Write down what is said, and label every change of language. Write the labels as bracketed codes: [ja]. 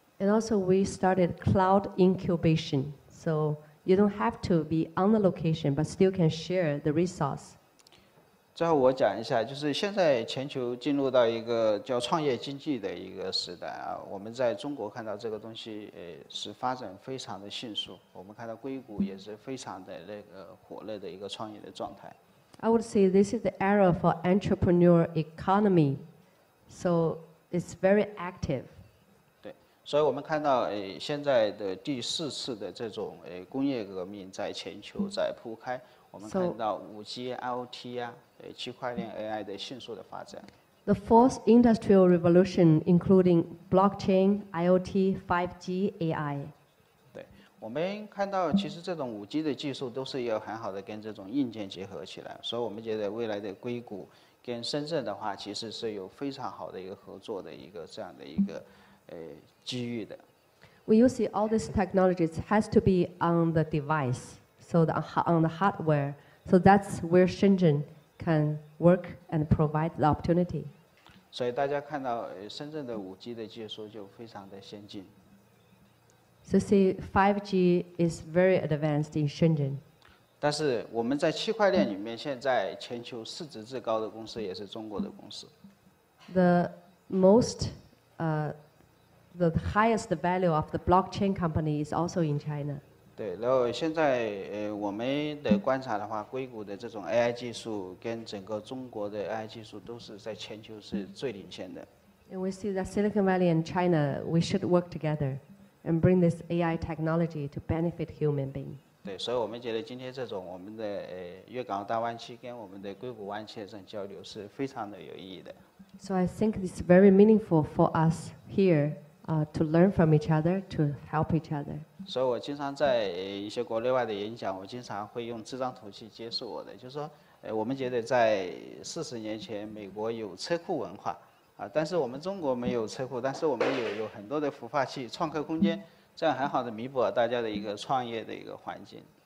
[en] And also we started cloud incubation, so you don't have to be on the location, but still can share the resource. [zh] 最后我讲一下，就是现在全球进入到一个叫创业经济的一个时代啊，我们在中国看到这个东西是发展非常的迅速，我们看到硅谷也是非常的那个火热的一个创业的状态。 [en] I would say this is the era for entrepreneur economy, so it's very active. [zh] 对，所以我们看到现在的第四次的这种工业革命在全球在铺开，我们看到 5G IoT 啊区块链 AI 的迅速的发展。 [en] The fourth industrial revolution, including blockchain, IoT, 5G, AI. [zh] 对，我们看到其实这种 5G 的技术都是要很好的跟这种硬件结合起来，所以我们觉得未来的硅谷跟深圳的话，其实是有非常好的一个合作的一个这样的一个机遇的。 [en] When you see all these technologies has to be on the device, so on the hardware, so that's where Shenzhen. Can work and provide the opportunity. [zh] 所以大家看到深圳的 5G 的技术就非常的先进。 [en] So see, 5G is very advanced in Shenzhen. [zh] 但是我们在区块链里面，现在全球市值最高的公司也是中国的公司。 [en] The most, the highest value of the blockchain company is also in China. [zh] 对，然后现在我们的观察的话，硅谷的这种 AI 技术跟整个中国的 AI 技术都是在全球是最领先的。 [en] And we see that Silicon Valley and China, we should work together and bring this AI technology to benefit human being. [zh] 对，所以我们觉得今天这种我们的粤港澳大湾区跟我们的硅谷湾区的这种交流是非常的有意义的。 [en] So I think it's very meaningful for us here, to learn from each other, to help each other. [zh] 所以我经常在一些国内外的演讲，我经常会用这张图去接受我的，就是说我们觉得在40年前美国有车库文化啊，但是我们中国没有车库，但是我们有很多的孵化器创客空间，这样很好的弥补了大家的一个创业的一个环境。